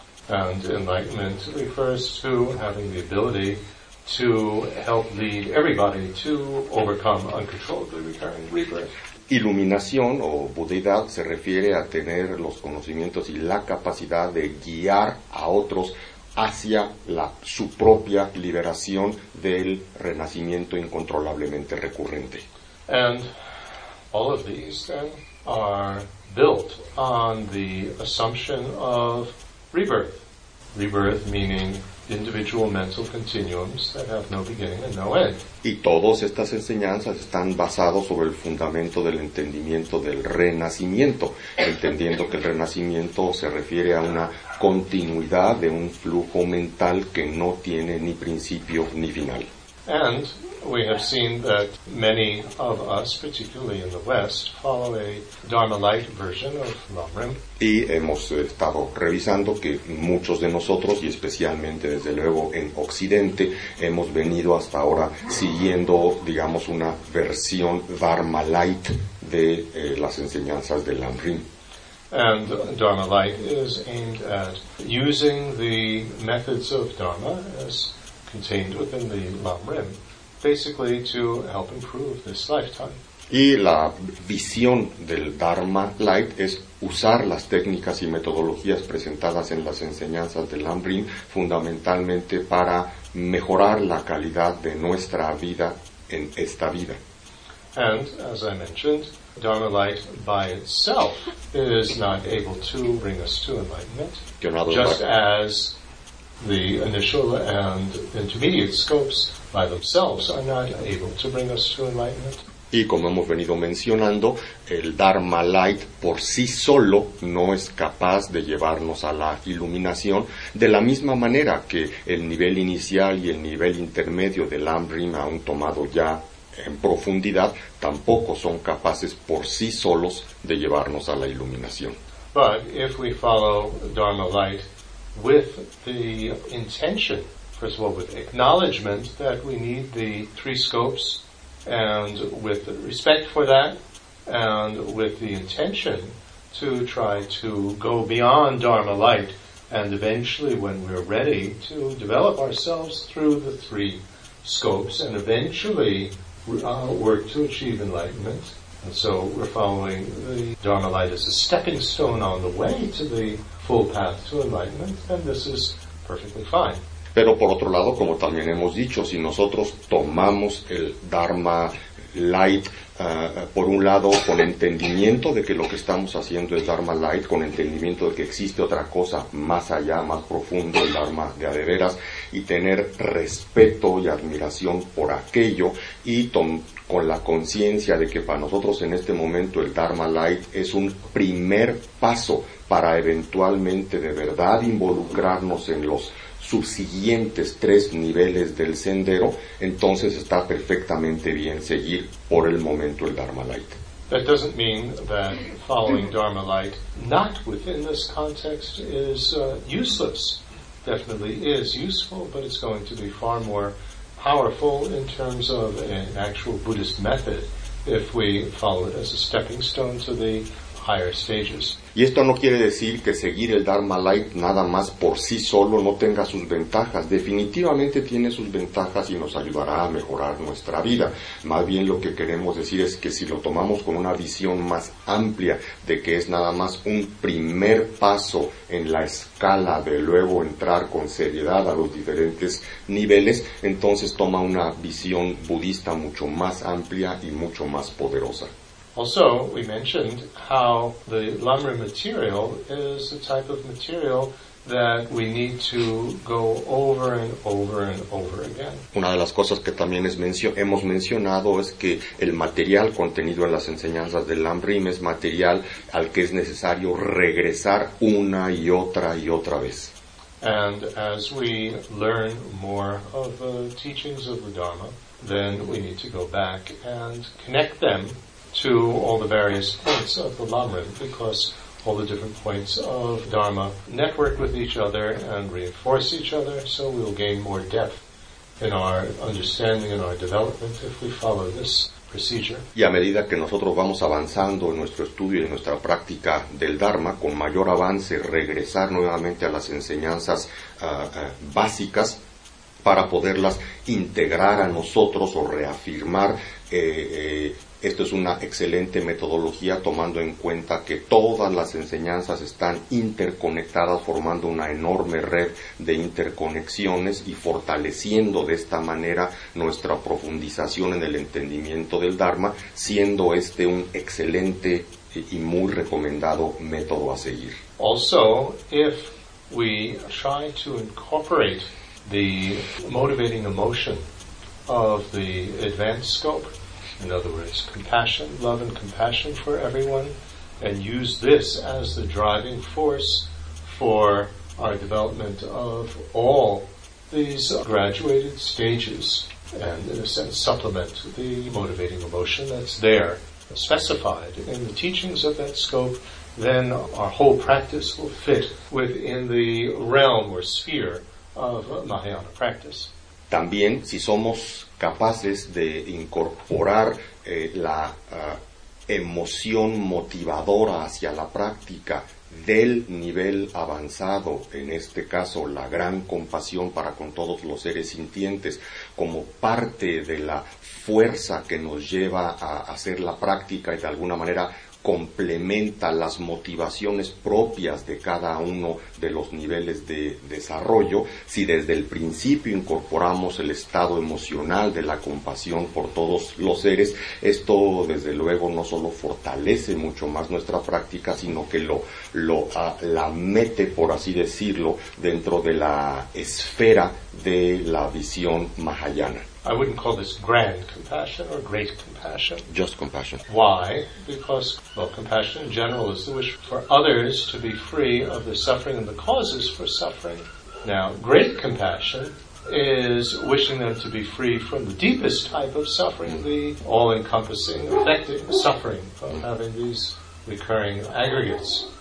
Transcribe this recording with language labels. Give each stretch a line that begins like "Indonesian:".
English: And enlightenment refers to having the ability to help lead everybody to overcome uncontrollably recurring rebirth.
Spanish: Iluminación o budeidad se refiere a tener los conocimientos y la capacidad de guiar a otros hacia su propia liberación del renacimiento incontrolablemente recurrente.
English: And all of these then are built on the assumption of rebirth. Rebirth meaning individual mental continuums that have no beginning and no end.
Spanish: Y todas estas enseñanzas están basadas sobre el fundamento del entendimiento del renacimiento, entendiendo que el renacimiento se refiere a una continuidad de un flujo mental que no tiene ni principio ni final.
English: And we have seen that many of us, particularly in the West, follow a Dharma-light version of lam-rim.
Spanish: Y hemos estado revisando que muchos de nosotros, y especialmente desde luego en Occidente, hemos venido hasta ahora siguiendo, digamos, una versión Dharma-light de las enseñanzas de lam-rim.
English: And Dharma-light is aimed at using the methods of Dharma as contained within the lam-rim, basically to help improve this lifetime.
Spanish: Y la visión del Dharma Light es usar las técnicas y metodologías presentadas en las enseñanzas de lam-rim fundamentalmente para mejorar la calidad de nuestra vida en esta vida.
English: And as I mentioned, Dharma Light by itself is not able to bring us to enlightenment, just as the initial and intermediate scopes by themselves are not able to bring us to enlightenment.
Spanish: Y como hemos venido mencionando, el Dharma Light por sí solo no es capaz de llevarnos a la iluminación, de la misma manera que el nivel inicial y el nivel intermedio del lam-rim, aún tomado ya en profundidad, tampoco son capaces por sí solos de llevarnos a la iluminación.
English: But if we follow Dharma light with the intention, first of all, with acknowledgement that we need the three scopes, and with respect for that, and with the intention to try to go beyond Dharma light, and eventually when we're ready to develop ourselves through the three scopes, and eventually work to achieve enlightenment. And so we're following the Dharma light as a stepping stone on the way to the full path to enlightenment, and this is perfectly fine.
Spanish: Pero por otro lado, como también hemos dicho, si nosotros tomamos el Dharma light, por un lado con entendimiento de que lo que estamos haciendo es Dharma light, con entendimiento de que existe otra cosa más allá, más profundo, el Dharma de adeveras, y tener respeto y admiración por aquello, y con la conciencia de que para nosotros en este momento el Dharma light es un primer paso para eventualmente de verdad involucrarnos en los subsiguientes tres niveles del sendero, entonces está perfectamente bien seguir por el momento el Dharma light.
English: That doesn't mean that following Dharma light not within this context is useless. Definitely is useful, but it's going to be far more powerful in terms of an actual Buddhist method if we follow it as a stepping stone to the higher stages.
Spanish: Y esto no quiere decir que seguir el Dharma light nada más por sí solo no tenga sus ventajas. Definitivamente tiene sus ventajas y nos ayudará a mejorar nuestra vida. Más bien lo que queremos decir es que si lo tomamos con una visión más amplia de que es nada más un primer paso en la escala de luego entrar con seriedad a los diferentes niveles, entonces toma una visión budista mucho más amplia y mucho más poderosa.
English: Also, we mentioned how the lam-rim material is a type of material that we need to go over and over and over again.
Spanish: Una de las cosas que también hemos mencionado es que el material contenido en las enseñanzas del lam-rim es material al que es necesario regresar una y otra y otra vez.
English: And as we learn more of the teachings of the Dharma, then we need to go back and connect them to all the various points of the lam-rim, because all the different points of Dharma network with each other and reinforce each other, so we'll gain more depth in our understanding and our development if we follow this procedure.
Spanish: Y a medida que nosotros vamos avanzando en nuestro estudio y en nuestra práctica del Dharma, con mayor avance, regresar nuevamente a las enseñanzas básicas para poderlas integrar a nosotros o reafirmar. Esto es una excelente metodología tomando en cuenta que todas las enseñanzas están interconectadas, formando una enorme red de interconexiones y fortaleciendo de esta manera nuestra profundización en el entendimiento del Dharma, siendo este un excelente y muy recomendado método a seguir.
English: Also, if we try to incorporate the motivating emotion of the advanced scope, in other words, compassion, love and compassion for everyone, and use this as the driving force for our development of all these graduated stages, and in a sense supplement the motivating emotion that's there, specified in the teachings of that scope, then our whole practice will fit within the realm or sphere of Mahayana practice.
Spanish: También, si somos capaces de incorporar la emoción motivadora hacia la práctica del nivel avanzado, en este caso la gran compasión para con todos los seres sintientes, como parte de la fuerza que nos lleva a hacer la práctica y de alguna manera complementa las motivaciones propias de cada uno de los niveles de desarrollo, si desde el principio incorporamos el estado emocional de la compasión por todos los seres, esto desde luego no solo fortalece mucho más nuestra práctica, sino que la mete, por así decirlo, dentro de la esfera de la visión mahayana.
English: I wouldn't call this grand compassion or great compassion. Just compassion. Why? Because, well, compassion in general is the wish for others to be free of the suffering and the causes for suffering. Now, great compassion is wishing them to be free from the deepest type of suffering, the all-encompassing, affecting suffering of having these recurring aggregates.